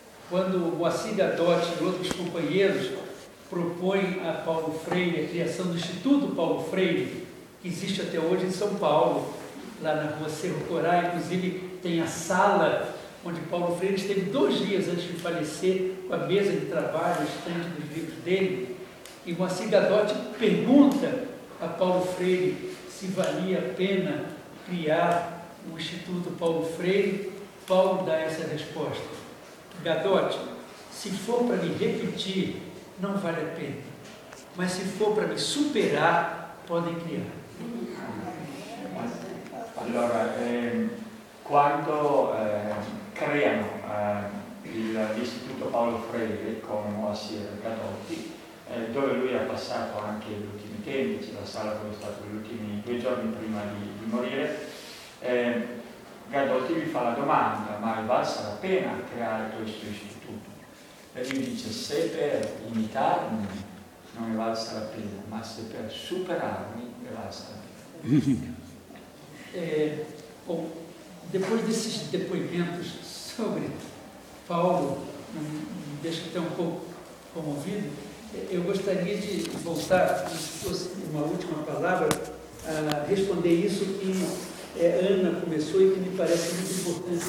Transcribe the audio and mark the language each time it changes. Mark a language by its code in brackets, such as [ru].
[pt] Quando o Moacir Gadotti e outros companheiros propõem a Paulo Freire a criação do Instituto Paulo Freire, que existe até hoje em São Paulo, lá na rua Cerro Corá, inclusive tem a sala onde Paulo Freire esteve 2 dias antes de falecer, com a mesa de trabalho, o estante dos livros dele, e o Moacir Gadotti pergunta a Paulo Freire se valia a pena criar um Instituto Paulo Freire. Paulo dá essa resposta: Gadotti, se for para me repetir, não vale a pena. Mas se for para me superar, podem criar. [it] Allora, quando criano l'Istituto Paulo Freire con Moacir Gadotti, dove lui ha passato anche gli ultimi tempi, c'è la sala dove è stato gli ultimi 2 giorni prima di morire, Gadotti gli fa la domanda: ma valsa la pena creare questo istituto? E lui dice: se per imitarmi non è valsa la pena, ma se per superarmi è valsa la pena. [pt] Bom, depois desses depoimentos sobre Paulo, deixa eu ter um pouco comovido, eu gostaria de voltar, se fosse uma última palavra, a responder isso que Ana começou e que me parece muito importante.